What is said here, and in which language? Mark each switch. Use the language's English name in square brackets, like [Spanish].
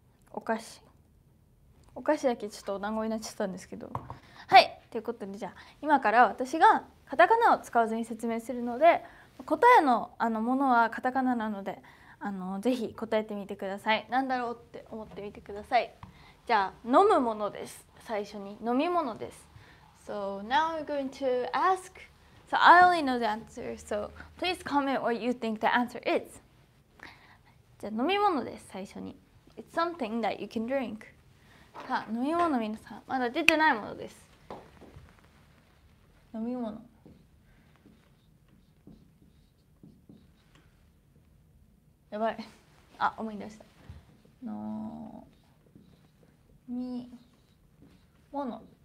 [Japanese] お菓子だけちょっとお団子になっちゃったんですけど、はい、ということで、じゃあ今から私がカタカナを使わずに説明するので、答え あのものはカタカナなので、あのぜひ答えてみてください。なんだろうって思ってみてください。じゃあ飲むものです。最初に飲み物です。 [English] So now we're going to askSo I only know the answer, so please comment what you think the answer is. [Japanese] じゃあ飲み物です、最初に。 [English] It's something that you can drink. [Japanese] さあ、飲み物、皆さん。まだ出てないものです。飲み物。やばい。あ、思い出した。飲み物。